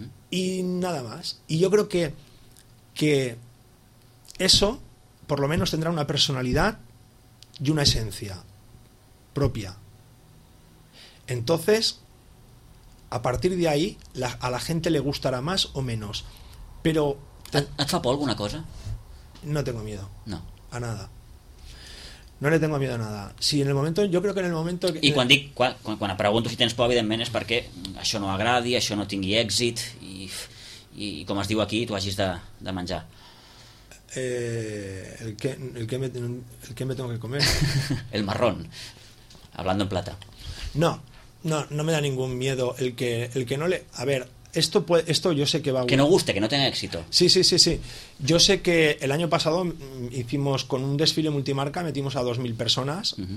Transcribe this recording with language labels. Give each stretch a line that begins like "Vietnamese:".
Spanish: Y nada más. Y yo creo que eso por lo menos tendrá una personalidad y una esencia propia. Entonces, A partir de ahí, a la gente le gustará más o menos. Pero...
Catalan: ¿Et fa por alguna cosa?
Spanish: No tengo miedo. No. A nada. No le tengo miedo a nada. Si en el momento... Yo creo que en el momento...
Catalan: I quan dic... Quan pregunto si tens por, evidentment, és perquè això no agradi, això no tingui èxit i com es diu aquí, tu hagis de menjar.
Spanish: El que me tengo que comer. El marrón. Hablando en plata. No. No me da ningún miedo el que no le... A ver, esto yo sé que va... Que no guste, que no tenga éxito. Sí, sí, sí, sí. Yo sé que el año pasado hicimos con un desfile multimarca, metimos a 2.000 personas, uh-huh.